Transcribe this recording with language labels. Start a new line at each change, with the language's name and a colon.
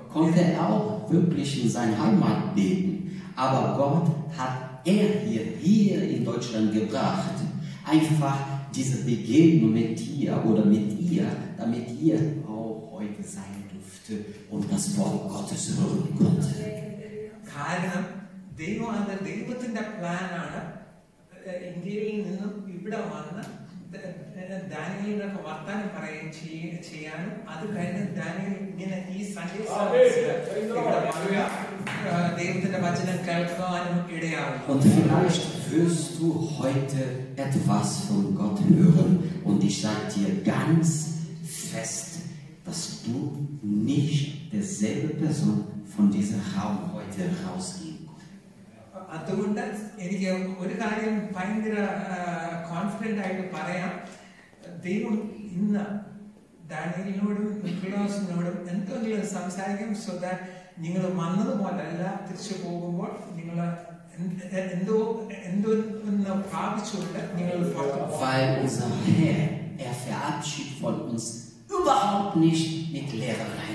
German: Konnte er auch wirklich in sein Heimat leben, aber Gott hat er hier in Deutschland gebracht. Einfach diese Begegnung mit dir oder mit ihr, damit ihr auch heute sein dürfte und das Wort Gottes hören konnte.
Malayalam: കാരണം ദൈവം അത് ദൈവത്തിന്റെ പ്ലാനാണ് ഇന്ത്യയിൽ നിന്നും ഇവിടെ വന്ന് ദാനിയലിന്റെ വർത്തമാനം പറയുകയും ചെയ്യാനും അത് കഴിഞ്ഞ് ദാനിയൽ ഇങ്ങനെ ഈ സന്ദേശം ദൈവത്തിന്റെ വചനം കേൾക്കുവാനും ഇടയാകും.
German: Wirst du heute etwas von Gott hören, und ich sag dir ganz fest, dass du nicht derselbe Person von diesem Raum heute rausgehen kannst.
Malayalam: അതുകൊണ്ട് എനിക്ക് ഒരു കാര്യം ഭയങ്കര കോൺഫിഡന്റ് ആയിട്ട് പറയാം, ദൈവം ഇന്ന് ദാനിയലിനോടും നിക്കോളാസിനോടും എന്തെങ്കിലും സംസാരിക്കും,
English: so that
Malayalam: നിങ്ങൾ വന്നതുപോലല്ല തിരിച്ചു പോകുമ്പോൾ നിങ്ങൾ
German: Weil unser Herr, er verabschiedet von uns überhaupt nicht mit leeren